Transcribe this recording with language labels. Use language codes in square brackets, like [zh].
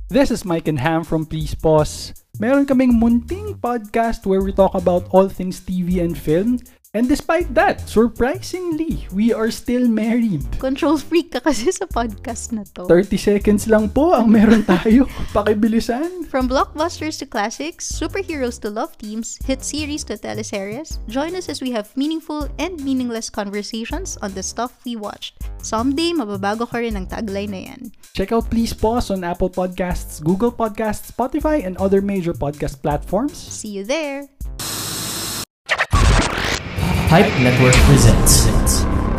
[en] This is Mike and Ham from Please Pause. [tl] Meron kaming munting podcast [en] where we talk about all things TV and film. And despite that, surprisingly, we are still married. [tl] Control freak ka kasi sa podcast na to. 30 seconds lang po ang meron tayo. Pakibilisan. [en] From blockbusters to classics, superheroes to love teams, hit series to teleseries, join us as we have meaningful and meaningless conversations on the stuff we watched. [tl] Someday, mababago ka rin ang tagline na yan. [en] Check out Please Pause on Apple Podcasts, Google Podcasts, Spotify, and other major podcast platforms. See you there! Hype Network presents.